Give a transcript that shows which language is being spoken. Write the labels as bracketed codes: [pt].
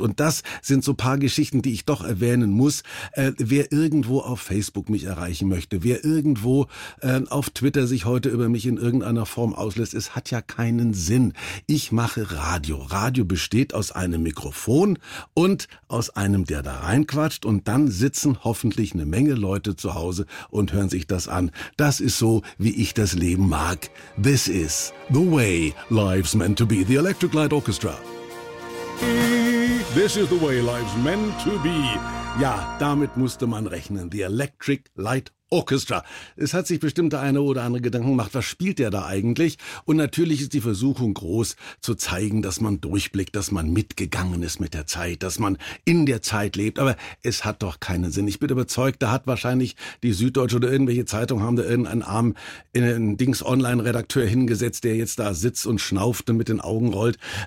[de] Und das sind so ein paar Geschichten, die ich doch erwähnen muss. Wer irgendwo auf Facebook mich erreichen möchte, wer irgendwo auf Twitter sich heute über mich in irgendeiner Form auslässt, es hat ja keinen Sinn. Ich mache Radio. Radio besteht aus einem Mikrofon und aus einem, der da reinquatscht. Und dann sitzen hoffentlich eine Menge Leute zu Hause und hören sich das an. Das ist so, wie ich das Leben mag. [en] This is the way life's meant to be. The Electric Light Orchestra. This is the way life's meant to be. [de] Ja, damit musste man rechnen. The Electric Light Orchestra. Es hat sich bestimmt der eine oder andere Gedanken gemacht, was spielt der da eigentlich? Und natürlich ist die Versuchung groß, zu zeigen, dass man durchblickt, dass man mitgegangen ist mit der Zeit, dass man in der Zeit lebt. Aber es hat doch keinen Sinn. Ich bin überzeugt, da hat wahrscheinlich die Süddeutsche oder irgendwelche Zeitung haben da irgendeinen armen Dings-Online-Redakteur hingesetzt, der jetzt da sitzt und schnauft und mit den Augen rollt.